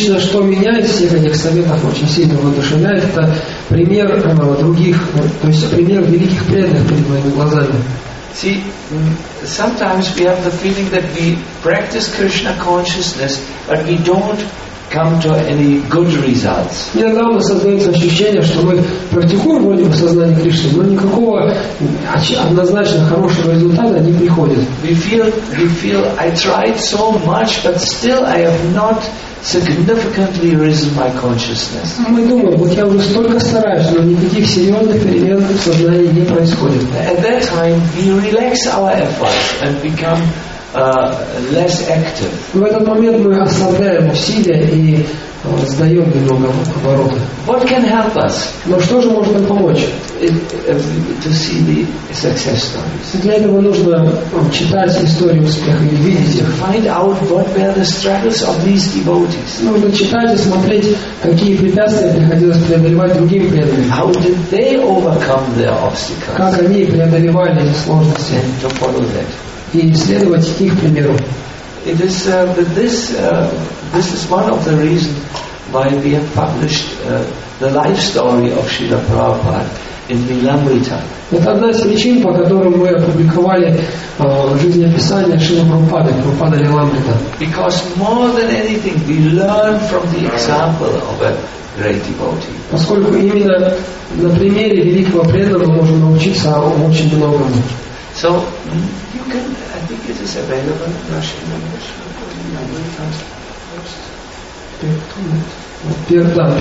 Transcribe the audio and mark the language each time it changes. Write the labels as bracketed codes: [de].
[ru] Нечто, что меня из всех этих советов очень сильно воодушевляет, это пример других, то есть пример великих преданных перед моими глазами. [en] See, sometimes we have the feeling that we practice Krishna consciousness, but we don't come to any good results. [ru] Иногда у нас создается ощущение, что мы практикуем волю в сознании Кришны, но никакого однозначно хорошего результата не приходит. [en] We feel, I tried so much, but still I have not significantly risen my consciousness. [ru] Мы думаем, вот я уже столько стараюсь, но никаких серьезных перемен в сознании не происходит. [en] At that time we relax our efforts and become less active. [ru] В этот момент мы ослабляем усилия и сдаем немного обороты. [en] What can help us? [ru] Но что же может нам помочь? [en] To see the success stories. [ru] Для этого нужно читать истории успеха и видеть их. [en] Find out what were the struggles of these devotees. [ru] Нужно читать и смотреть, какие препятствия приходилось преодолевать другим преданным. [en] How did they overcome their obstacles? [ru] Как они преодолевали эти сложности? [en] And to follow that. [ru] И следовать их примеру. [en] It is this is one of the reasons why we have published the life story of Srila Prabhupada in Lilamrita. [ru] Это одна из причин, по которой мы опубликовали жизнеописание Шрилы Прабхупады, Прабхупада Лиламрита. [en] Because more than anything, we learn from the example of a great devotee. [ru] Поскольку именно на примере великого преданного мы можем научиться очень многому. [en] So you can, I think it is available in Russian language.